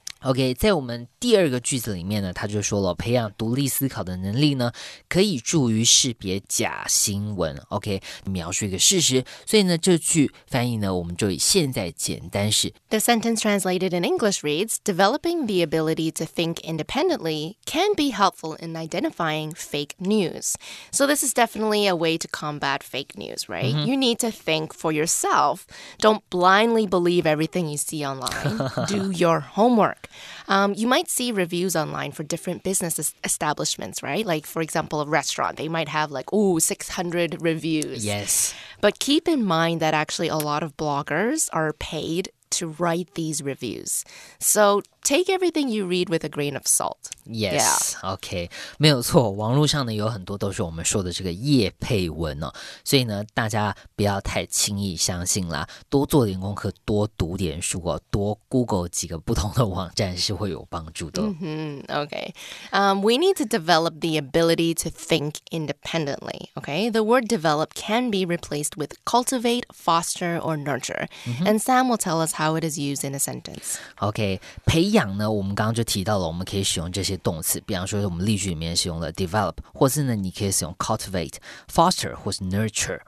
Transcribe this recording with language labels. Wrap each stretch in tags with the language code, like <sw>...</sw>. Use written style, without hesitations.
<zh>OK， 在我们第二个句子里面呢，他就说了，培养独立思考的能力呢，可以助于识别假新闻。 OK， 描述一个事实，所以呢，这句翻译呢，我们就以现在简单式。</zh> <en>The sentence translated in English reads: Developing the ability to think independently can be helpful in identifying fake news. So this is definitely a way to combat fake news, right?、Mm-hmm. You need to think for yourself. Don't blindly believe everything you see online. Do your homework. You might see reviews online for different business establishments, right? Like, for example, a restaurant. They might have like, 600 reviews. Yes. But keep in mind that actually a lot of bloggers are paid to write these reviews. So take everything you read with a grain of salt. Yes. Yeah. Okay.</en> <zh>没有错，网络上呢有很多都是我们说的这个业配文哦，所以呢大家不要太轻易相信啦，多做点功课，多读点书哦，多 Google 几个不同的网站是会有帮助的。</zh> <en>Okay. We need to develop the ability to think independently. Okay. The word develop can be replaced with cultivate, foster, or nurture. And Sam will tell us how it is used in a sentence.</en> <zh>Okay. 培养呢，我们刚刚就提到了，我们可以使用这些动词，比方说我们例句里面使用了 develop， 或是呢，你可以使用 cultivate、foster 或是 nurture。</zh>